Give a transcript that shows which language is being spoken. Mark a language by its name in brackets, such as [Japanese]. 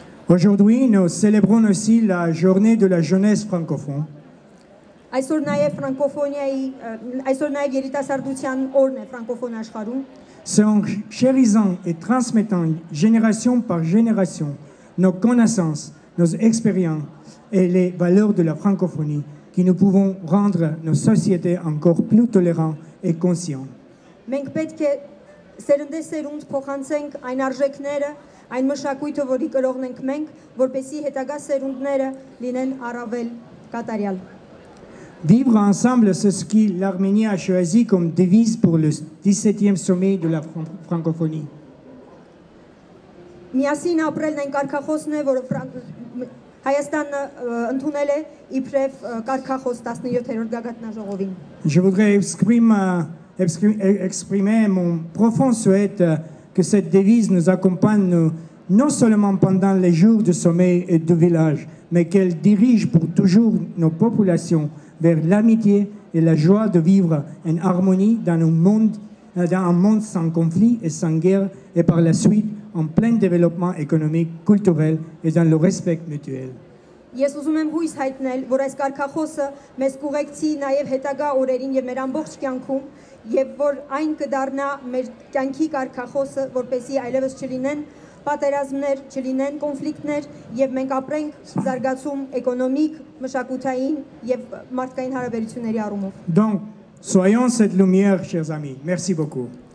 [French] Aujourd'hui, nous célébrons aussi la journée de la jeunesse francophone. [Armenian] Այսօր նաև ֆրանկոֆոնիայի, այսօր նաև երիտասարդության օրն է ֆրանկոֆոն աշխարհում։ [French] Son chérissant et transmettant génération par génération nos connaissances, nos expériences et les valeurs de la francophonie qui nous pouvons rendre nos sociétés encore plus tolérantes et conscientes. [Armenian] Մենք պետք է սերնդեսերունդ փոխանցենք այն արժեքները, այն մշակույթը, որի կրողն ենք մենք, որպեսզի հետագա սերունդները լինեն առավել կատարյալ։ [French] Vivre ensemble, c'est ce qui l'Arménie a choisi comme devise pour le 17e sommet de la francophonie. [Armenian] Միասին ապրել նա կարգախոսն է, որը Հայաստանը ընդունել է իբրև կարգախոս 17-րդ գագաթնաժողովին. [French] Je voudrais exprimer mon profond souhait que cette devise nous accompagne non seulement pendant les jours du sommet et du village, mais qu'elle dirige pour toujours nos populations vers l'amitié et la joie de vivre en harmonie dans un monde sans conflit et sans guerre et par la suite en plein développement économique, culturel et dans le respect mutuel. [Armenian] Ես ուզում եմ հույս հայտնել, որ այս կարգախոսը մեզ կուղեկցի նաև հետագա օրերին եւ մեր ամբողջ կյանքում եւ որ այն կդառնա մեր կյանքի կարգախոսը, որպեսզի այլևս չլինեն պատերազմներ, չլինեն կոնֆլիկտներ եւ մենք ապրենք զարգացում էկոնոմիկ, մշակութային եւ մարդկային հարաբերությունների առումով։ [French] Donc, soyons cette lumière, chers amis. Merci beaucoup.